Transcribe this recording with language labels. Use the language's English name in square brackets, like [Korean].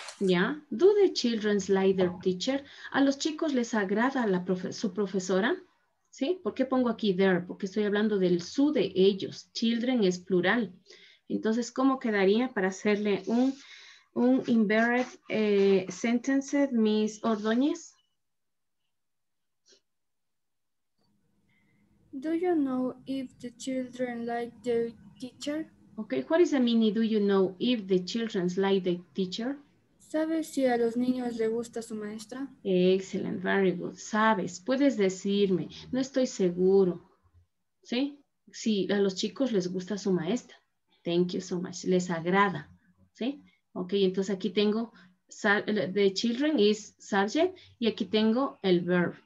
[Spanish] Yeah. [English] Do the children like their teacher? [Spanish] ¿A los chicos les agrada su profesora? ¿Sí? ¿Por qué pongo aquí their? Porque estoy hablando del su de ellos. Children es plural. Entonces, ¿cómo quedaría para hacerle un embarrassed sentence, Miss Ordóñez? [English] Do you know if the children like the teacher? Okay, what is the meaning? Do you know if the children like the teacher? [Spanish] ¿Sabes si a los niños le gusta su maestra? [English] Excellent, very good. [Spanish] ¿Sabes? Puedes decirme. No estoy seguro. ¿Sí? Si a los chicos les gusta su maestra. [English] Thank you so much. [Spanish] Les agrada. ¿Sí? Ok, entonces aquí tengo [English] the children is subject [Spanish] y aquí tengo el verb.